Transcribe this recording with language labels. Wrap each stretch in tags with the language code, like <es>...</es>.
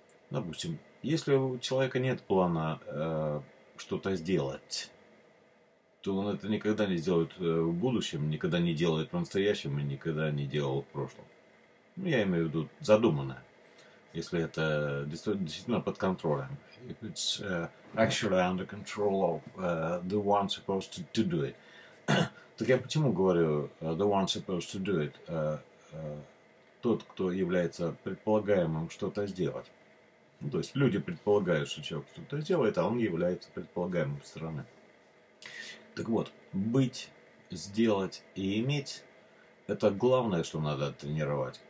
<ru>Допустим, если у человека нет плана что-то сделать, то он это никогда не сделает в будущем, никогда не делает в настоящем и никогда не делал в прошлом. Ну, я имею в виду задуманное, если это действительно под контролем.</ru> <en>If it's actually under control of the one supposed to do it.</en> <ru>Так я почему говорю</ru> <en>the one supposed to do it?</en> <ru>Тот, кто является предполагаемым что-то сделать. Ну, то есть люди предполагают, что человек что-то сделает, а он является предполагаемым стороны. Так вот, быть, сделать и иметь – это главное, что надо тренировать.</ru>